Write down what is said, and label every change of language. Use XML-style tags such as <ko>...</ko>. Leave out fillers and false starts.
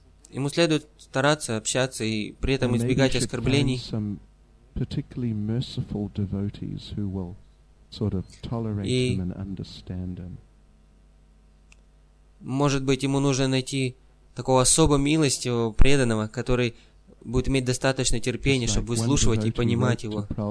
<ru>Ему следует стараться общаться и при этом избегать оскорблений.</ru> <en>Particularly merciful devotees who will sort of tolerate him and understand him.</en> <ru>Может быть, ему нужно найти такого особо милостивого преданного, который будет иметь достаточно терпения, чтобы выслушивать и понимать его.</ru>